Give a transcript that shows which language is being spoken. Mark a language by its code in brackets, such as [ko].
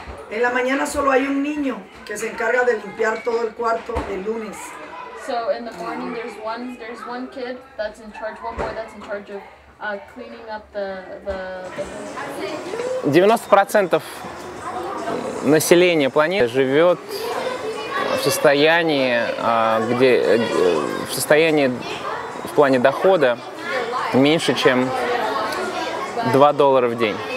[es] En la mañana solo hay un niño que se encarga de limpiar todo el cuarto el lunes. [en] So in the morning there's one kid that's in charge, one boy that's in charge of cleaning up the [ru] 90% населения планеты живет в состоянии в плане дохода меньше, чем $2 в день.